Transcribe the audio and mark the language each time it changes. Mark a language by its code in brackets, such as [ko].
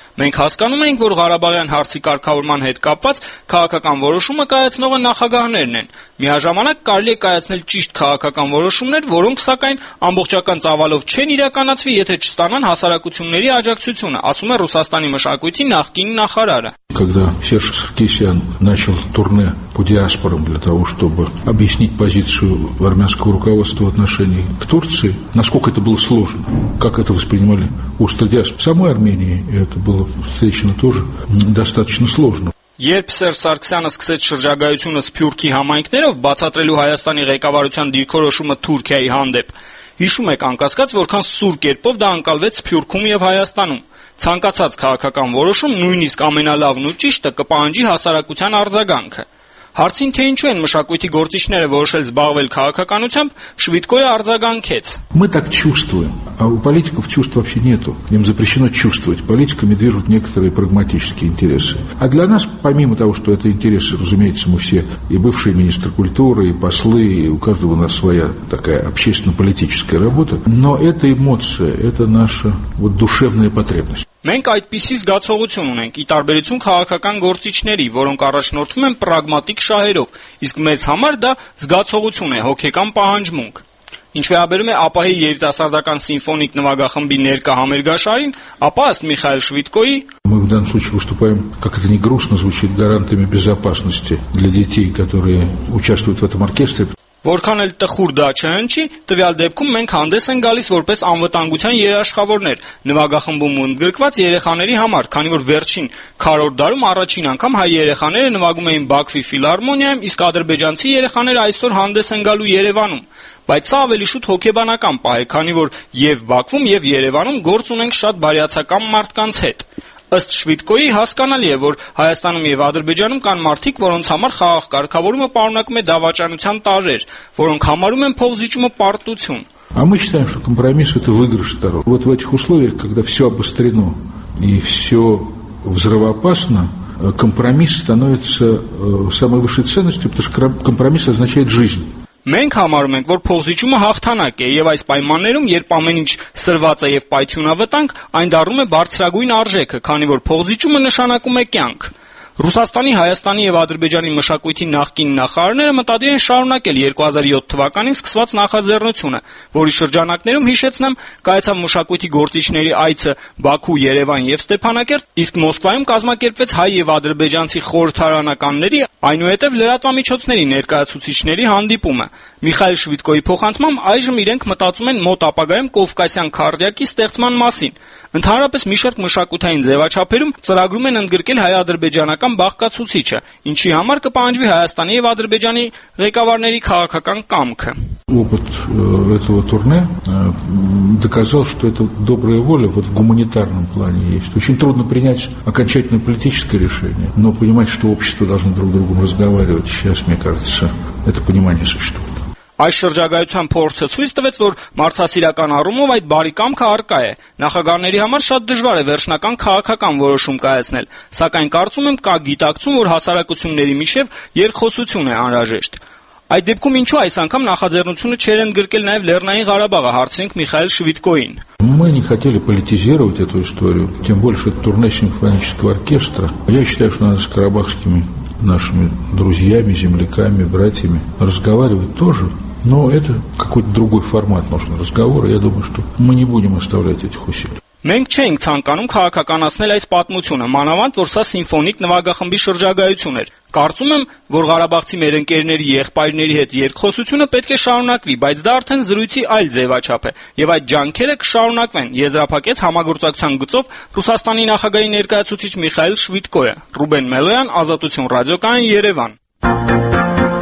[hy] Մենք հասկանում ենք, որ Ղարաբաղյան հարցի կարգավորման հետ կապված քաղաքական որոշումը կայացնողը նախագահներն են։ Միաժամանակ կարելի է կայացնել ճիշտ քաղաքական որոշումներ, որոնք սակայն ամբողջական ծավալով չեն իրականացվի, եթե չստանան հասարակությունների աջակցությունը, ասում է Ռուսաստանի մշակույթի նախկին նախարարը։ [ru] Когда Серж Саркисян начал турне по диаспорам для того, чтобы объяснить позицию армянского руководства в отношении к Турции, насколько это было сложно, как это воспринимали устро диаспоры. В самой Армении это было встречено тоже достаточно сложно. [hy] Երբ Սերժ Սարգսյանը սկսեց շրջագայությունը Սփյուռքի համայնքներով բացատրելու Հայաստանի ղեկավարության դիրքորոշումը Թուրքիայի հանդեպ, հիշում եք անկասկած, որքան սուր կերպով դա ընկալվեց Սփյուռքում և Հայաստանում։ Ցանկացած քաղաքական որոշում, նույնիսկ ամենալավն ու ճիշտը, կպահանջի հասարակության արձագանքը։ Հարցին, թե ինչու են մշակույթի գործիչները որոշել զբաղվել քաղաքականությամբ, Շվիդկոյը արձագանքեց. [ru] Мы так чувствуем, а у политиков чувств вообще нету. Им запрещено чувствовать. Политиками движут некоторые прагматические интересы. А для нас, помимо того, что это интересы, разумеется, мы все и бывшие министры культуры, и послы, и у каждого у нас своя такая общественно-политическая работа, но это эмоция, это наша вот душевная потребность. [hy] Մենք այդպիսի զգացողություն ունենք, ի տարբերություն քաղաքական գործիչների, որոնք առաջնորդվում են պրագմատիկ շահերով, իսկ մեզ համար դա զգացողություն է, հոգեկան պահանջմունք։ Ինչ վերաբերում է ԱՊՀ-ի երիտասարդական սիմֆոնիկ նվագախմբի ներկա համերգաշարին, ապա ըստ Միխայել Շվիդկոյի, [ru] в данном случае выступаем, как это ни грустно звучит, гарантами безопасности для детей, которые участвуют в этом оркестре. [hy] Որքան էլ տխուր դա չհնչի, տվյալ դեպքում մենք հանդես են գալիս որպես անվտանգության երաշխավորներ, նվագախմբում ընդգրկված երեխաների համար, քանի որ վերջին քառորդ դարում առաջին անգամ հայ երեխաները նվագում էին Բաքվի ֆիլհարմոնիայում, իսկ ադրբեջանցի երեխաները այսօր հանդես են գալու Երևանում։ Բայց սա ավելի շուտ հոգեբանական պահ է, քանի որ և Բաքվում, և Երևանում գործ ունենք շատ բարյացակամ մարդկանց հետ։ Ըստ Շվիդկոյի հասկանալի է, որ Հայաստանում և Ադրբեջանում կան մարդիկ, որոնց համար խաղաղ կարգավորումը պարունակում է դավաճանության տարրեր, որոնք համարում են փողզիջումը պարտություն։ [ru] А мы считаем, что компромисс это выигрыш сторон. Вот в этих условиях, когда всё обострено и всё взрывоопасно, компромисс становится самой высшей ценностью, потому что компромисс означает жизнь. [hy] Մենք համարում ենք, որ փողզիջումը հաղթանակ է, եւ այս պայմաններում, երբ ամեն ինչ սրված է եւ պայթյունավտանգ, այն դառնում է բարձրագույն արժեքը, քանի որ փողզիջումը նշանակում է կյանք։ Ռուսաստանի, Հայաստանի եւ Ադրբեջանի մշակույթի նախկին նախարարները մտադիր են շարունակել 2007 թվականին սկսված նախաձեռնությունը, որի շրջանակներում, հիշեցնեմ, կայացավ մշակույթի գործիչների այցը Բաքու, Երևան եւ Ստեփանակերտ, իսկ Մոսկվայում կազմակերպվեց հայ եւ ադրբեջանցի խորհրդարանականների, այնուհետև լրատվամիջոցների ներկայացուցիչների հանդիպումը։ Միխայել Շվիդկոյի փոխանցումը այժմ իրենք մտածում են մոտ ապագայում Կովկասյան քարդյակի ստեղծման մասին։ Ընդհանրապես մի շարք մշակութային ձևաչափերում ծրագրում են ընդգրկել հայ-ադրբեջանական բաղկացուցիչը, ինչի համար կպահանջվի Հայաստանի և Ադրբեջանի ղեկավարների քաղաքական կամքը։ [ru] Опыт этого турне доказал, что это добрая воля вот в гуманитарном плане есть. Очень трудно принять окончательное политическое решение, но понимать, что общество должно друг с другом разговаривать, сейчас, мне кажется, это понимание существует. [hy] Այս շրջագայության փորձը ցույց տվեց, որ մարդասիրական առումով այդ բարի կամքը առկա է։ Նախագահների համար շատ դժվար է վերջնական քաղաքական որոշում կայացնել, սակայն կարծում եմ, կա գիտակցում, որ հասարակությունների միջև երկխոսություն է անհրաժեշտ։ Այդ դեպքում ինչու այս անգամ նախաձեռնությունը չեր ընդգրկել նաև Լեռնային Ղարաբաղը, հարցրենք Միխայել Շվիդկոին։ [ru] Мы не хотели политизировать эту историю, тем больше это турне симфонического оркестра. Я считаю, что надо с карабахскими нашими друзьями, земляками, братьями разговаривать тоже. Но это какой-то другой формат нужен разговора. Я думаю, что мы не будем оставлять этих усилий. [hy] Մենք չենք ցանկանում քաղաքականացնել այս պատմությունը, մանավանդ որ սա սիմֆոնիկ նվագախմբի շրջագայություն էր։ Կարծում եմ, որ Ղարաբաղցի մեր ընկերների եղբայրների հետ երկխոսությունը պետք է շարունակվի, բայց դա արդեն զրույցի այլ ձևաչափ է, եւ այդ ջանքերը կշարունակվեն, եզրափակեց համագործակցության գծով Ռուսաստանի նախագահի ներկայացուցիչ Միխայել Շվիդկոյը։ Ռուբեն Մելոյան, Ազատություն ռադիոկայան, Երևան։